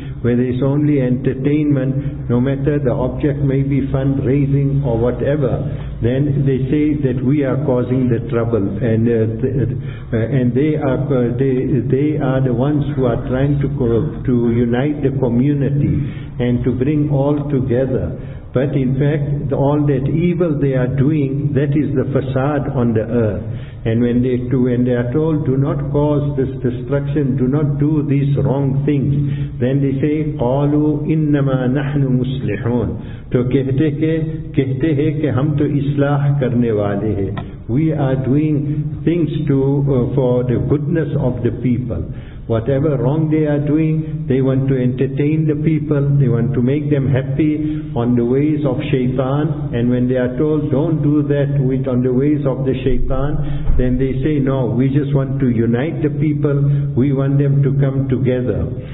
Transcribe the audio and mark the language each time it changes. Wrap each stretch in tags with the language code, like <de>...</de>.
<en>where there is only entertainment, no matter the object may be fundraising or whatever, then they say that we are causing the trouble, and they are the ones who are trying to unite the community and to bring all together. But in fact, all that evil they are doing, that is the facade on the earth. And when they are told, do not cause this destruction, do not do these wrong things, then they say,</en> <ar>قَالُوا إِنَّمَا نَحْنُ مُسْلِحُونَ.</ar> <ur>تو کہتے ہیں کہ ہم تو اصلاح کرنے والے ہیں.</ur> <en>We are doing things for the goodness of the people. Whatever wrong they are doing, they want to entertain the people, they want to make them happy on the ways of shaitan. And when they are told, don't do that with on the ways of the shaitan, then they say, no, we just want to unite the people, we want them to come together.</en>